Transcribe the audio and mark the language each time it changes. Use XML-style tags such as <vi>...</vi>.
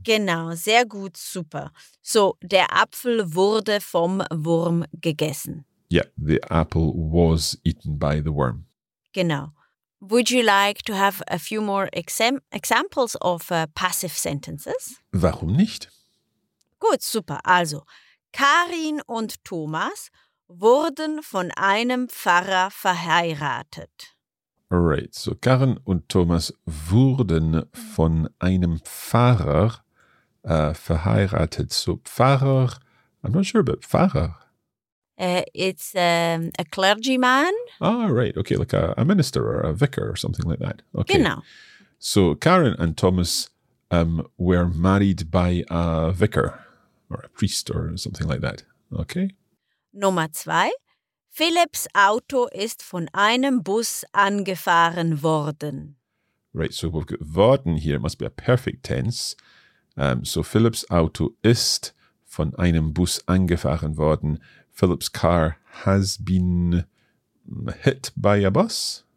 <de>Genau, sehr gut, super. So, der Apfel wurde vom Wurm gegessen.</de> <en>Yeah, the apple was eaten by the worm.</en> <de>Genau.</de> <en>Would you like to have a few more examples of passive sentences?</en> <de>Warum nicht? Gut, super. Also, Karin und Thomas wurden von einem Pfarrer verheiratet.</de> <en>Right, so</en> <de>Karin und Thomas wurden von einem Pfarrer verheiratet.</de> <en>So Pfarrer, I'm not sure about Pfarrer. It's a clergyman. Ah, right, okay, like a minister or a vicar or something like that. Okay.</en> <de>Genau.</de> <en>So Karin and Thomas were married by a vicar or a priest or something like that. Okay.</en> <de>Nummer zwei. Philipps Auto ist von einem Bus angefahren worden.</de> <en>Right, so we've got worden here. It must be a perfect tense.</en> <de>So Philipps Auto ist von einem Bus angefahren worden.</de> <en>Philipps car has been hit by a bus.</en>